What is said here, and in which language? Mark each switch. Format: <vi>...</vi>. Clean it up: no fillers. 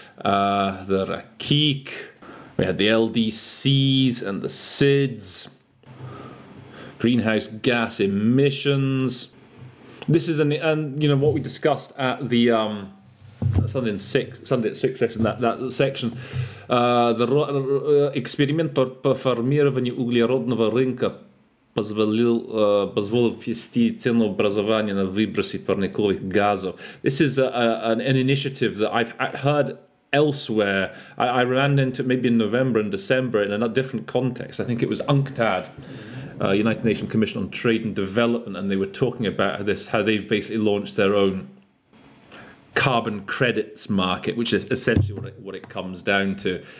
<en>The Rakik, we had the LDCs and the SIDs, greenhouse gas emissions. This is what we discussed at the Sunday at six session, that section.</en> <ru>Эксперимент по формированию углеродного рынка позволил ввести ценообразование на выбросы парниковых газов.</ru> <en>This is an initiative that I've heard elsewhere. I ran into maybe in November and December in a different context. I think it was UNCTAD, United Nations Commission on Trade and Development, and they were talking about this, how they've basically launched their own carbon credits market, which is essentially what it comes down to.</en>